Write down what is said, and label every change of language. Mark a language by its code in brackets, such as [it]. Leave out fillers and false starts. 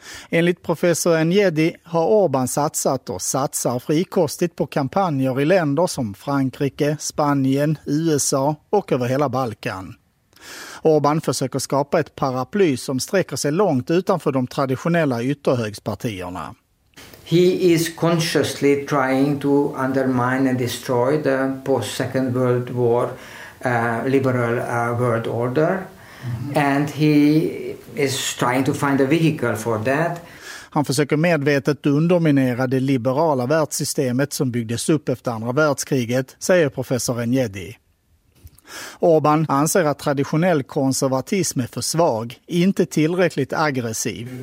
[sv] Enligt professor Njedi har Orbán satsat och satsar frikostigt på kampanjer i länder som Frankrike, Spanien, USA och över hela Balkan. Orbán försöker skapa ett paraply som sträcker sig långt utanför de traditionella ytterhögspartierna. [en] He is consciously trying to undermine and destroy the post-second world war liberal world order. And he is trying to find a vehicle for that. [sv] Han försöker medvetet underminera det liberala världssystemet som byggdes upp efter andra världskriget, säger professor Njedi. Orbán anser att traditionell konservatism är för svag, inte tillräckligt aggressiv.